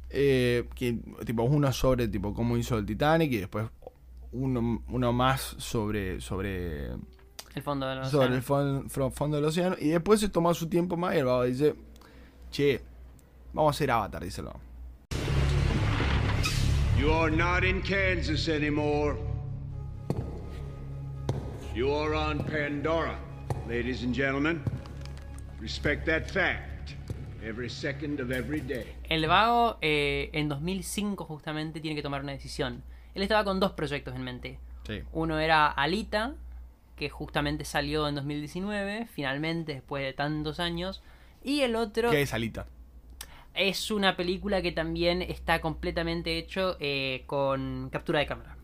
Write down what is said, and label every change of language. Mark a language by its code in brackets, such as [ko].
[es] Que, tipo, uno sobre tipo cómo hizo el Titanic y después uno más sobre el fondo del océano. Sobre el fondo del océano. Y después se toma su tiempo más y el Babo dice, che, vamos a hacer Avatar, díselo. [en] You are not in Kansas anymore. You are on Pandora, ladies and gentlemen. Respect that fact. Every second of every day. [es] El Vago, en 2005 justamente, tiene que tomar una decisión. Él estaba con dos proyectos en mente. Sí. Uno era Alita, que justamente salió en 2019, finalmente, después de tantos años. Y el otro... ¿Qué es Alita? Es una película que también está completamente hecho con captura de cámara.